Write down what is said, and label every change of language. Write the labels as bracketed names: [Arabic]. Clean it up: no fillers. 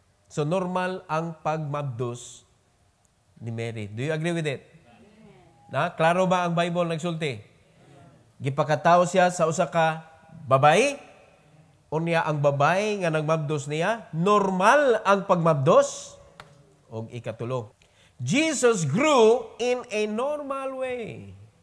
[Cebuano] So normal ang pagmabdos ni Mary. [English] Do you agree with it? [Cebuano] Na, klaro ba ang Bible nagsulti? Gipakatao siya sa usa ka babae? O niya ang babae nga nagmabdos niya? Normal ang pagmabdos? O ikatulo. [English] Jesus grew in a normal way.